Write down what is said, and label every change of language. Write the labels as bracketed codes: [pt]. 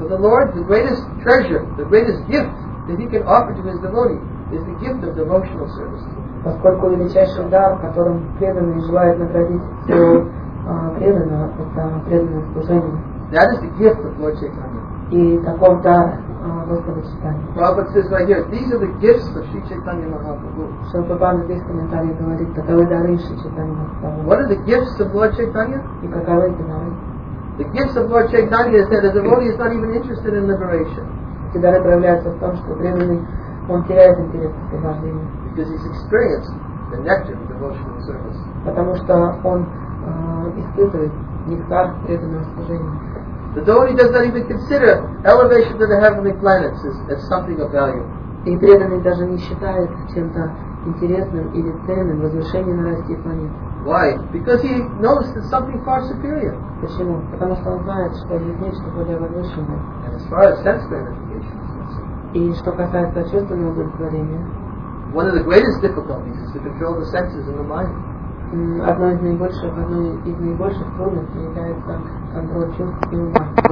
[en] For the Lord, the greatest treasure, the greatest gift that he can offer to his devotee is the gift of devotional service. [ru] Поскольку величайший дар, которым преданный желает наградить своего преданного, это преданное служение. [en] That is the gift of Lord Chaitanya. [ru] И таков дар Господа Чайтаньи. [en] Prabhupada says right here, these are the gifts of Sri Chaitanya Mahaprabhu. [ru] Шрилапрабхупада здесь в комментарии говорит, таковы дары Шри Чайтаньи [en] Махапрабху. What are the gifts of Lord Chaitanya? [ru] И каковы эти дары? [en] The gifts of Lord Chaitanya is that the devotee is not even interested in liberation. [ru] Эти дары проявляются в том, что преданный, он теряет интерес к освобождению. [en] Because he's experienced the nectar of devotional service. [ru] Потому что он испытывает нектар преданного служения. [en] The devotee does not even consider elevation to the heavenly planets as something of value. [ru] И преданный даже не считает чем-то интересным или ценным возвышение на райские планеты. [en] Why? Because he knows that something far superior. [ru] Почему? Потому что он знает, что есть нечто более возвышенное. [en] And as far as sense gratification. [ru] И что касается чувственного удовлетворения. [en] One of the greatest difficulties is to control the senses and the mind. [ru] одной из наибольших трудных является контроль чувств и ума.